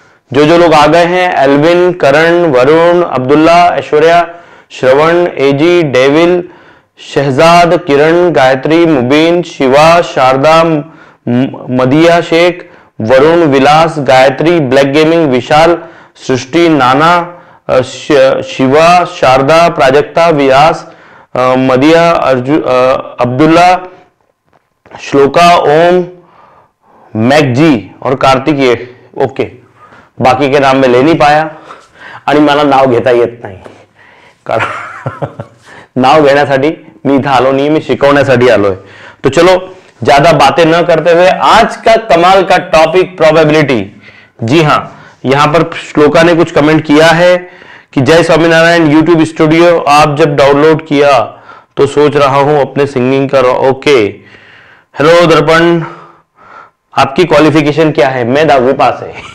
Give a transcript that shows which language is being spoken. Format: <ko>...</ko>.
<hi>जो जो लोग आ गए हैं, एल्विन, करण, वरुण, अब्दुल्ला, ऐश्वर्या, श्रवण, एजी, डेविल, शहजाद, किरण, गायत्री, मुबीन, शिवा, शारदा, मदिया, शेख, वरुण, विलास, गायत्री, ब्लैक गेमिंग, विशाल, सृष्टि, नाना, शिवा, शारदा, प्राजक्ता, व्यास, मदिया, अर्जुन, अब्दुल्ला, श्लोका, ओम, मैक जी और कार्तिक। ये ओके, बाकी के नाम मैं ले नहीं पाया</hi> <mr>आणि मला नाव घेता येत नाही, कारण नाव घेण्यासाठी मी इथं आलो नाही, मी शिकवण्यासाठी आलोय।</mr> <hi>तो चलो, ज्यादा बातें न करते हुए आज का कमाल का टॉपिक प्रोबेबिलिटी। जी हाँ, यहां पर श्लोका ने कुछ कमेंट किया है कि जय स्वामीनारायण, यूट्यूब स्टूडियो आप जब डाउनलोड किया तो सोच रहा हूं अपने सिंगिंग का। ओके, हेलो दर्पण, आपकी क्वालिफिकेशन क्या है? मैं दावी पास है।</hi>